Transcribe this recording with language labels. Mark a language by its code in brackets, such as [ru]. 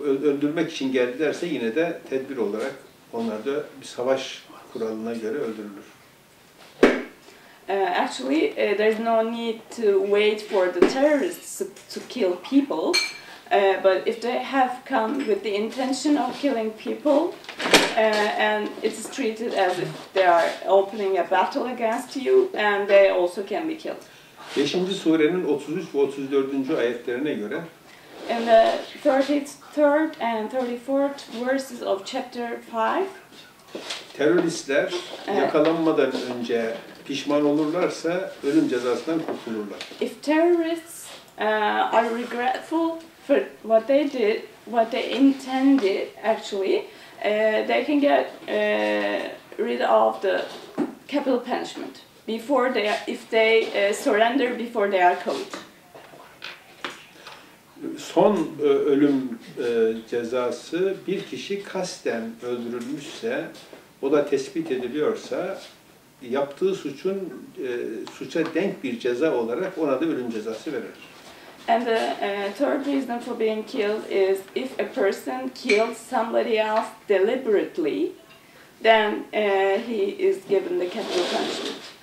[tr] Öldürmek için geldilerse yine de tedbir olarak onlar da bir savaş kuralına göre öldürülür. [en] Actually, there's no need to wait for the terrorists to kill people, but if they have come with the intention of killing people, and it's treated as if they are opening a battle against you, and they also can be killed. [tr] 5. surenin 33 ve 34. ayetlerine göre, [en] in the 33rd and 34th verses of chapter 5, [tr] teröristler yakalanmadan önce pişman olurlarsa ölüm cezasından kurtulurlar. [en] If terrorists are regretful for what they did, what they intended actually, they can get rid of the capital punishment before they if they surrender before they are caught. [tr] Son ölüm cezası bir kişi kasten öldürülmüşse, o da tespit ediliyorsa yaptığı suçun suça denk bir ceza olarak ona da ölüm cezası verilir. [en] And the third reason for being killed is if a person kills somebody else deliberately, then he is given the capital punishment.